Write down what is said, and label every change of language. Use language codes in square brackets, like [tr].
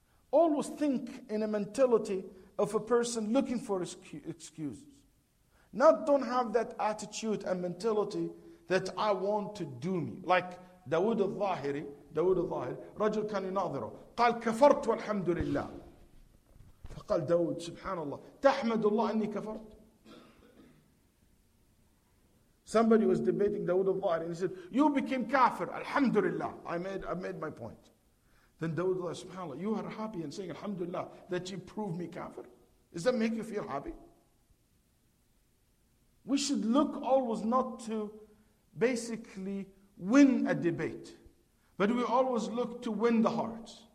[en] Always think in a mentality of a person looking for excuses. Not don't have that attitude and mentality that I want to doom you. [ar] Like Dawood al-Zahiri, رجل كان يناظره. قال كفرت والحمد لله. فقال داود سبحان الله تحمد الله أني كفرت. [en] Somebody was debating Dawood al-Zahiri and he said, you became kafir, alhamdulillah. I made my point. Then Dawood al-Zahiri, subhanAllah, you are happy and saying alhamdulillah that you proved me kafir. Does that make you feel happy? We should look always not to basically win a debate, but we always look to win the heart.